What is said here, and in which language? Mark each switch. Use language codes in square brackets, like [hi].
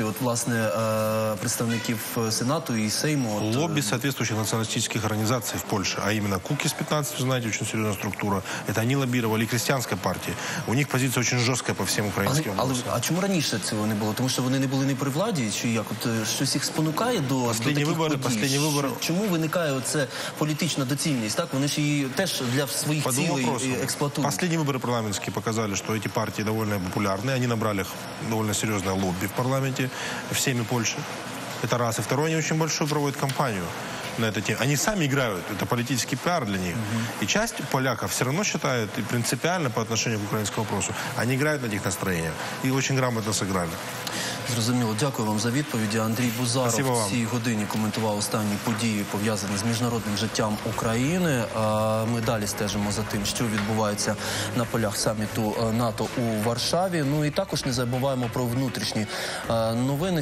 [ru] Вот, власне, представников Сената и Сейма? Лобби соответствующих националистических организаций в Польше, а именно КУКИС-15, вы знаете, очень серьезная структура. Это они лоббировали, и крестьянская партия. У них позиция очень жесткая по всем украинским вопросам. А чему раньше этого не было? Потому что они не были не при владе? [uk] Чи як? От, щось їх спонукає до таких подій? [ru] Последние выборы. [uk] Чому виникає оце політична доцільність? Так? Вони ж її теж для своїх цілей експлуатують. [ru] Последние выборы парламентские показали, что эти партии довольно популярны. Они набрали довольно серьезное лобби в парламенте всеми Польши. Это раз. И второе, они очень большую проводят кампанию на эту тему. Они сами играют. Это политический пиар для них. И часть поляков все равно считает принципиально по отношению к украинскому вопросу. Они играют на этих настроениях. И очень грамотно сыграли. [uk] Зрозуміло. Дякую вам за відповіді. Андрій Бузаров в цій годині коментував останні події, пов'язані з міжнародним життям України. Ми далі стежимо за тим, що відбувається на полях саміту НАТО у Варшаві. Ну і також не забуваємо про внутрішні новини.